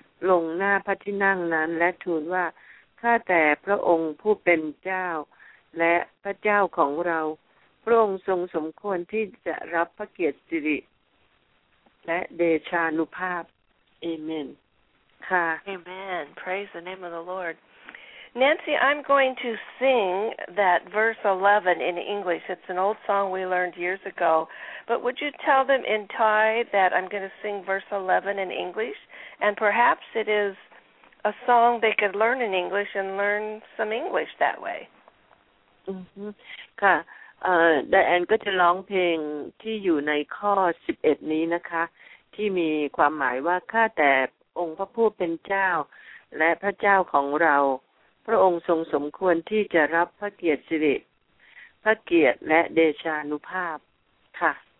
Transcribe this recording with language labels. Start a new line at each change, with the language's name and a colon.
Thai: ลงหน้าพระที่นั่งนั้นและทูลว่าข้าแต่พระองค์ผู้เป็นเจ้าและพระเจ้าของเราพระองค์ทรงสมควรที่จะรับพระเกียรติสิริและเดชานุภาพ Amen.
English: Amen. Praise the name of the Lord. Nancy, I'm going to sing that verse 11 in English. It's an old song we learned years ago. But would you tell them in Thai that I'm going to sing verse 11 in English? And perhaps it is a song they could learn in English and learn some English that way.
Thai: ค่ะ Diane ก็จะร้องเพลงที่อยู่ในข้อ 11 นี้นะคะ ที่มีความหมายว่าข้าแต่องค์พระผู้เป็นเจ้าและพระเจ้าของเราพระองค์ทรงสมควรที่จะรับพระเกียรติสิริพระเกียรติและเดชานุภาพค่ะ